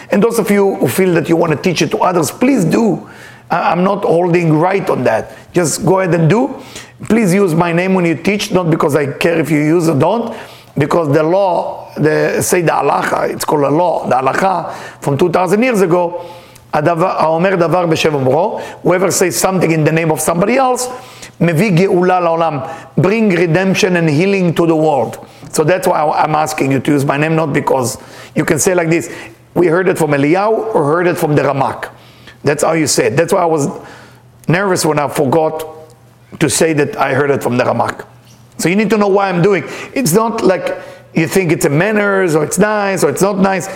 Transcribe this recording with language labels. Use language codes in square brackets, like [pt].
[en] And those of you who feel that you want to teach it to others, please do. I'm not holding right on that. Just go ahead and do. Please use my name when you teach, not because I care if you use or don't, because the law, the halacha, it's called a law, the halacha from 2,000 years ago, [he] האומר דבר בשם אומרו, [en] whoever says something in the name of somebody else, [he] מביא גאולה לעולם, [en] bring redemption and healing to the world. So that's why I'm asking you to use my name, not because you can say like this, we heard it from Eliyahu or heard it from the Ramak. That's how you say it. That's why I was nervous when I forgot to say that I heard it from the Ramak. So you need to know why I'm doing. It's not like you think it's a manners or it's nice or it's not nice.